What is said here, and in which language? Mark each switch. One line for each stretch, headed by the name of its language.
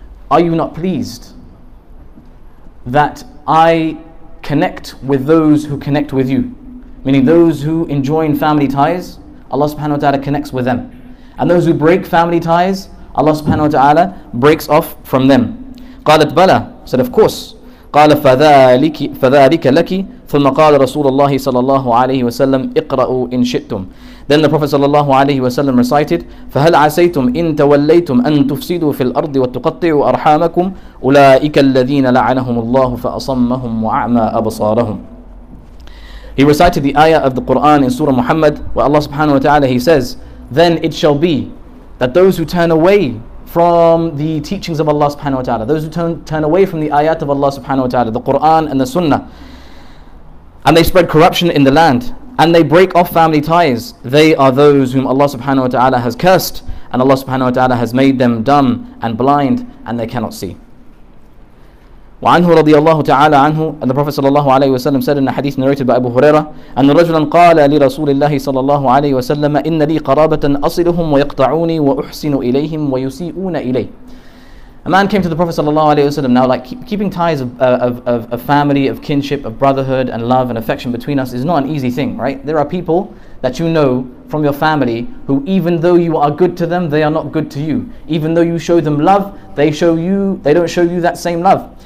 English: Are you not pleased that I connect with those who connect with you? Meaning those who enjoin family ties, Allah subhanahu wa ta'ala connects with them. And those who break family ties, Allah subhanahu wa ta'ala breaks off from them.
Arabic: قَالَتْ بَلَى.
English: Said, of course.
Arabic: قال فذلك فذلك لك. ثم قال رسول الله صلى الله عليه وسلم اقرأوا إن شئتم.
English: Then the Prophet
Arabic: صلى الله عليه وسلم recited, فهل عسيتم إن توليتم أن تفسدوا في الأرض وتقطعوا أرحامكم أولئك الذين لعنهم الله فأصمهم وأعمى أبصارهم.
English: He recited the ayah of the Quran in Surah Muhammad, where Allah subhanahu wa ta'ala, he says, then it shall be that those who turn away from the teachings of Allah subhanahu wa ta'ala, those who turn away from the ayat of Allah subhanahu wa ta'ala, the Quran and the Sunnah, and they spread corruption in the land, and they break off family ties, they are those whom Allah subhanahu wa ta'ala has cursed, and Allah subhanahu wa ta'ala has made them dumb and blind, and they cannot see.
Arabic: وعنه رضي الله تعالى عنه أن النبي صلى الله عليه وسلم
English: said in a hadith narrated by
Arabic: أبو هريرة أن رجلا قال لرسول الله صلى الله عليه وسلم إن لي قرابة أصلهم ويقطعوني وأحسن إليهم ويسيئون إلي.
English: A man came to the Prophet صلى الله عليه وسلم, now like keeping ties of family, of kinship, of brotherhood and love and affection between us is not an easy thing, right? There are people that you know from your family who, even though you are good to them, they are not good to you. Even though you show them love, they don't show you that same love.